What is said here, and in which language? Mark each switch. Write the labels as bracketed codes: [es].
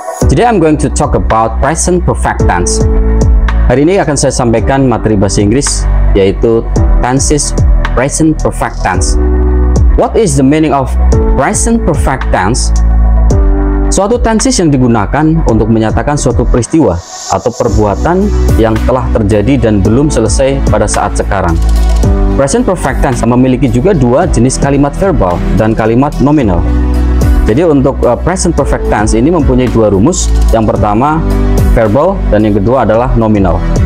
[en] Today I'm going to talk about present perfect tense. [id] Hari ini akan saya sampaikan materi bahasa Inggris, yaitu tenses present perfect tense. [en] What is the meaning of present perfect tense? [id] Suatu tenses yang digunakan untuk menyatakan suatu peristiwa atau perbuatan yang telah terjadi dan belum selesai pada saat sekarang. Present perfect tense memiliki juga dua jenis kalimat verbal dan kalimat nominal. Jadi untuk present perfect tense ini mempunyai dua rumus. Yang pertama verbal dan yang kedua adalah nominal.